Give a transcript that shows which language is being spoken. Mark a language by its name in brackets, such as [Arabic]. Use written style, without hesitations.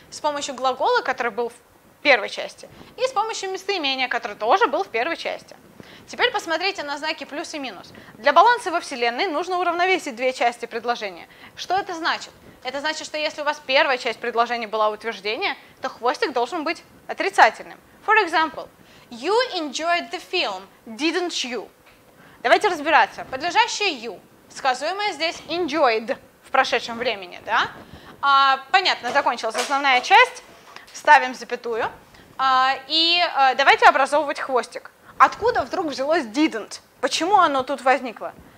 [Russian] С помощью глагола, который был в первой части, и с помощью местоимения, который тоже был в первой части. Теперь посмотрите на знаки плюс и минус. Для баланса во Вселенной нужно уравновесить две части предложения. Что это значит? Это значит, что если у вас первая часть предложения была утверждение, то хвостик должен быть отрицательным. [English] For example, you enjoyed the film, didn't you? [Russian] Давайте разбираться. Подлежащее you, сказуемое здесь enjoyed в прошедшем времени, да? Понятно, закончилась основная часть, ставим запятую, давайте образовывать хвостик. Откуда вдруг взялось didn't? Почему оно тут возникло?